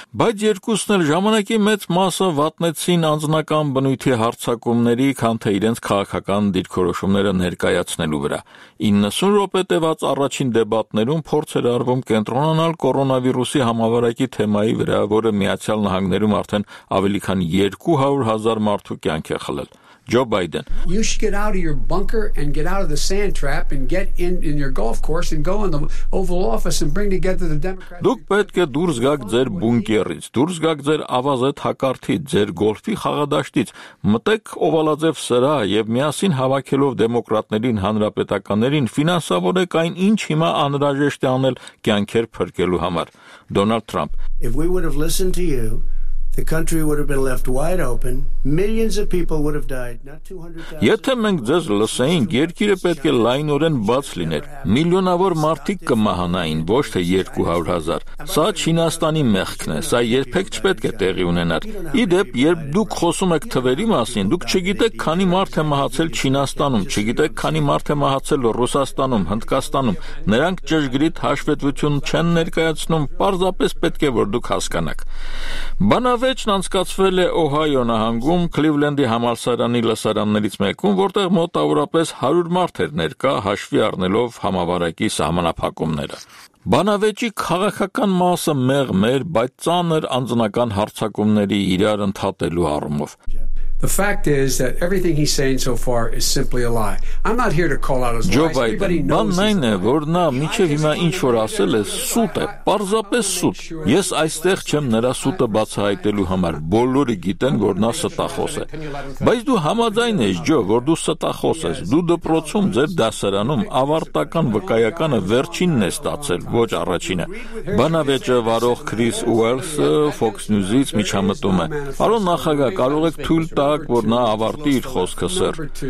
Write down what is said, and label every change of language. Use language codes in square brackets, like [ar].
[hy] բայց երկուսն էլ ժամանակի մեծ մասը վատնեցին անձնական բնույթի հարցակումների, քան թե իրենց քաղաքական դիրքորոշումները ներկայացրին։ 90 րոպե տևած առաջին դեբատներում փորձ էր արվում կենտրոնանալ կորոնավիրուսի համավարակի թեմայի վրա, որը Միացյալ Նահանգներում արդեն ավելի քան 200 000 մարդու կյանք է խլել։ Ջո Բայդեն. [en] You should get out of your bunker and get out of the sand trap and get in your golf course and go in the Oval Office and bring together the Democrats. [hy] Դուք պետք է դուրս գաք ձեր բունկերից, դուրս գաք ձեր ավազե հակարթի, ձեր գոլֆի խաղադաշտից, մտեք օվալաձև սրա և միասին հավաքելով դեմոկրատներին, հանրապետականներին, ֆինանսավորեք այն, ինչ հիմա անհրաժեշտ է անել կյանքեր փրկելու համար։ Դոնալդ Թրամփ. [en] If we would have listened to you The country would have been left wide open. Millions of people would have died. [hy] Եթե մենք ձեզ լսեինք, երկիրը պետք է լայնորեն բաց լիներ։ Միլիոնավոր մարդիկ կմահանային, ոչ թե 200,000։ Սա Չինաստանի մեղքն է, սա երբեք չպետք է տեղի ունենար։ Ի դեպ, երբ դուք խոսում եք թվերի մասին, դուք չգիտեք, քանի մարդ է մահացել Չինաստանում, չգիտեք, քանի մարդ է մահացել Ռուսաստանում, Հնդկաստանում։ Նրանք ճշգրիտ հաշվետվություն չեն ներկայացնում, պարզապես պետք է որ դուք հասկանաք։ Բանավեճն անցկացվել է Օհայո նահանգում, Քլիվլենդի համալսարանի լսարաններից մեկում, որտեղ մոտավորապես 100 մարդ էր ներկա, հաշվի առնելով համավարակի սահմանափակումները։ Բանավեճի քաղաքական մասը մեղմ էր, բայց ծանր անձնական հարձակումների իրար ընդհատելու առումով։ [en] The fact is that everything he's saying so far is simply a lie. I'm not here to call out his Joe lies. Biden. Everybody knows Biden, [hy] որ նա միչև հիմա ինչ որ ասել է, սուտ է, պարզապես սուտ։ Ես այստեղ չեմ նրա սուտը բացահայտելու համար, բոլորը գիտեն, որ նա ստախոս է։ Բայց դու համաձայն ես, Joe, որ դու ստախոս ես, դու դպրոցում, ձեր դասարանում ավարտական վկայականը վերջինն է ստացել, ոչ առաջինը։ Բանավեճը վարող Քրիս Ուելսը Fox News-ից միջամտում է։ Պարոն նախագահ, կարող եք թույլ տակ, որ նա ավարտի իր խոսքը, սեր